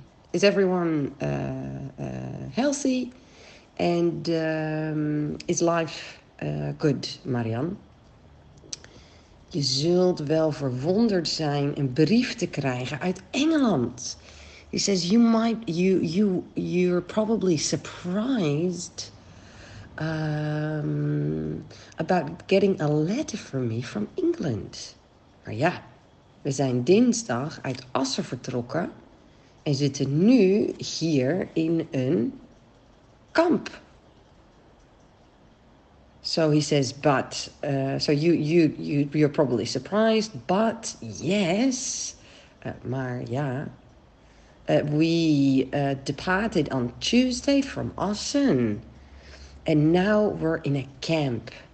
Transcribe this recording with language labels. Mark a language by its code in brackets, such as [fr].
[en] Is everyone healthy, and is life good, Marianne? [nl] Je zult wel verwonderd zijn een brief te krijgen uit Engeland. [en] He says you're probably surprised about getting a letter from me from England. [nl] Maar ja. We zijn dinsdag uit Assen vertrokken en zitten nu hier in een kamp. [en] So he says, but, so you're probably surprised, but yes, [nl] maar ja, [en] we departed on Tuesday from Assen and now we're in a camp.